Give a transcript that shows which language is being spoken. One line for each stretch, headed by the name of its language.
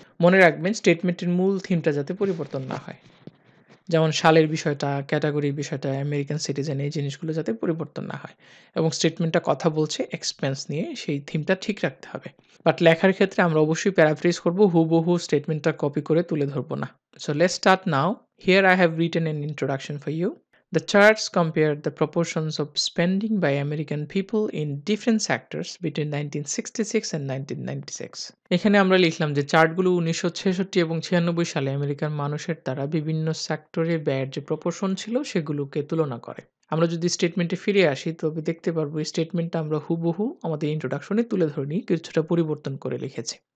Bangla: মনে রাখবেন স্টেটমেন্টের মূল থিমটা যাতে পরিবর্তন না হয়, যেমন সালের বিষয়টা, ক্যাটাগরির বিষয়টা, আমেরিকান সিটিজেন, এই জিনিসগুলো যাতে পরিবর্তন না হয়, এবং স্টেটমেন্টটা কথা বলছে এক্সপেন্স নিয়ে, সেই থিমটা ঠিক রাখতে হবে। বাট লেখার ক্ষেত্রে আমরা অবশ্যই প্যারাফ্রেজ করব, হুবহু স্টেটমেন্টটা কপি করে তুলে ধরব না।
English: So let's start now. Here I have written an introduction for you. The charts compared the proportions of spending by American people in different sectors between 1966 and 1996.
Bangla: এখানে আমরা লিখলাম যে চার্টগুলো 1966 এবং 96 সালে আমেরিকান মানুষের দ্বারা বিভিন্ন সেক্টরে ব্যয়ের যে প্রপোর্শন ছিল সেগুলোকে তুলনা করে। আমরা যদি স্টেটমেন্টে ফিরে আসি তবে দেখতে পারবো স্টেটমেন্টটা আমরা হুবহু আমাদের ইন্ট্রোডাকশনে তুলে ধরিনি, কিছুটা পরিবর্তন করে লিখেছি।